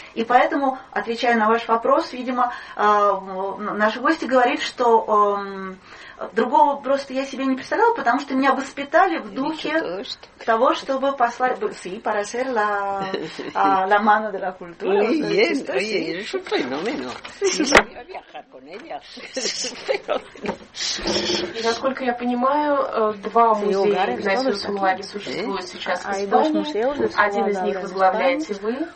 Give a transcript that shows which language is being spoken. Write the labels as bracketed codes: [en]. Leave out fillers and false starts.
[ru] И поэтому, отвечая на ваш вопрос, видимо, наши гости говорят, что другого просто я себе не представляла, потому что меня воспитали в духе того, чтобы послать... [es] Sí, para ser la mano de la cultura. Muy bien, oye, eres un fenómeno. Viajar con ellas. [ru] И насколько я понимаю, два музея Игнатия Зумаги существуют сейчас в Испании. Один из них возглавляете вы.